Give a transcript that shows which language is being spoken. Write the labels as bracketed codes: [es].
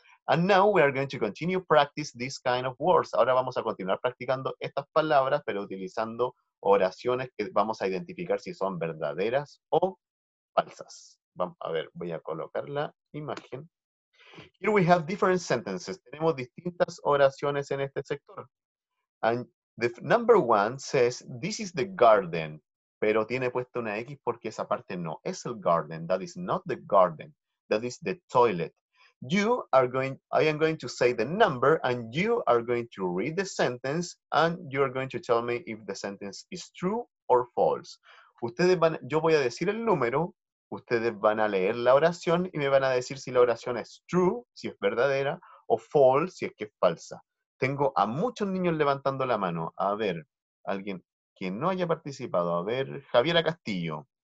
[en] And now we are going to continue practice these kind of words. [es] Ahora vamos a continuar practicando estas palabras, pero utilizando oraciones que vamos a identificar si son verdaderas o falsas. Vamos a ver, voy a colocar la imagen. [en] Here we have different sentences. [es] Tenemos distintas oraciones en este sector. [en] And the number one says, this is the garden. [es] Pero tiene puesto una X porque esa parte no. Es el garden. [en] That is not the garden. That is the toilet. I am going to say the number and you are going to read the sentence and you are going to tell me if the sentence is true or false. [es] Yo voy a decir el número, ustedes van a leer la oración y me van a decir si la oración es true, si es verdadera, o false, si es que es falsa. Tengo a muchos niños levantando la mano. A ver, alguien que no haya participado. A ver, Javiera Castillo.